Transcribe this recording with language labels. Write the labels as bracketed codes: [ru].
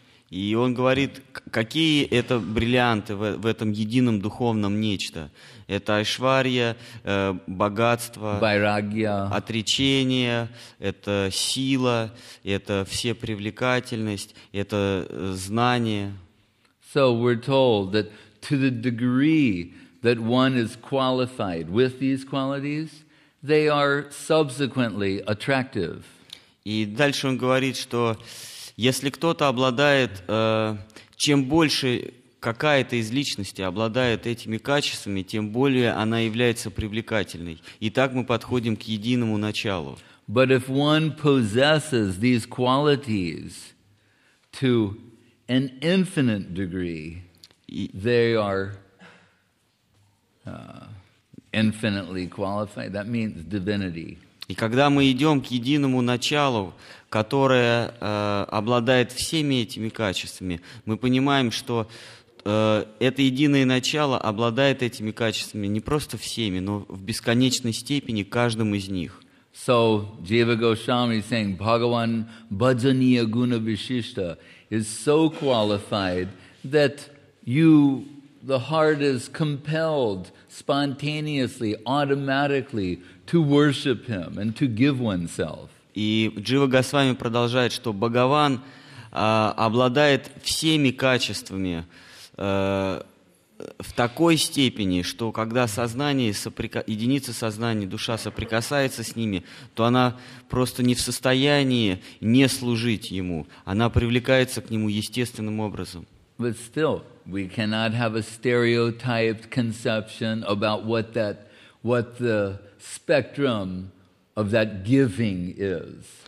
[ru] И он говорит, какие это бриллианты в этом едином духовном нечто. Это айшварья, богатство, байрагья, отречение, это сила, это всепривлекательность, это знание. [en] So we're told that to the degree that one is qualified with these qualities, they are subsequently attractive. [ru] И дальше он говорит, что если кто-то обладает, чем больше какая-то из личностей обладает этими качествами, тем более она является привлекательной. И так мы подходим к единому началу. [en] But if one possesses these qualities to an infinite degree, they are infinitely qualified. That means divinity. [ru] И когда мы идем к единому началу, которое обладает всеми этими качествами, мы понимаем, что это единое начало обладает этими качествами не просто всеми, но в бесконечной степени каждым из них. [en] So, Jiva Goswami is saying, [sa] Bhagavan Bhajaniya Guna Vishishta [en] is so qualified that the heart is compelled spontaneously, automatically to worship him and to give oneself. [ru] И Джива Госвами продолжает, что Бхагаван обладает всеми качествами в такой степени, что когда сознание, единица сознания, душа соприкасается с ними, то она просто не в состоянии не служить ему. Она привлекается к нему естественным образом. [en] But still, we cannot have a stereotyped conception about what the spectrum of that giving is.